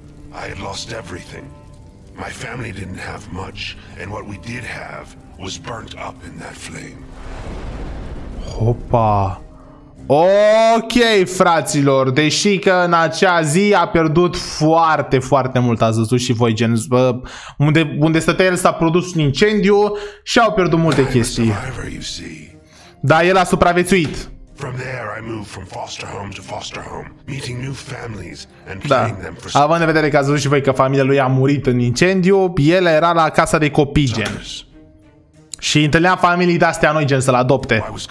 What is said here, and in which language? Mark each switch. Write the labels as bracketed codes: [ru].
[en] My family didn't have much, and what we did have was burnt up in that flame. [ro] Hopa. Ok, fraților, deși că în acea zi a pierdut foarte, foarte mult, ați văzut și voi, gen, unde stătea el s-a produs un incendiu și au pierdut multe chestii. Dar el a supraviețuit. [en] From there I moved from foster home to foster home, meeting new families and playing them for. [ro] Da. Având în vedere că ați văzut și voi că familia lui a murit în incendiu, el era la casa de copii, gen. Și întâlnea familii de astea noi, gen, să-l adopte.